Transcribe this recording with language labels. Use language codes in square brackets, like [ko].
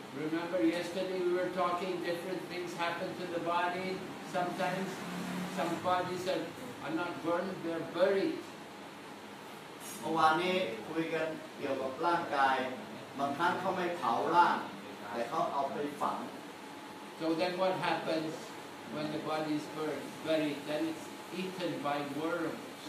[en] Remember yesterday we were talking different things happen to the body sometimes some bodies are not burned they're buried [th] เมื่อวานนี้คุยกันเกี่ยวกับร่างกายบางครั้งเขาไม่เผาร่างแต่เขาเอาไปฝัง [en] So then what happens when the body is buried, then it's eaten by worms.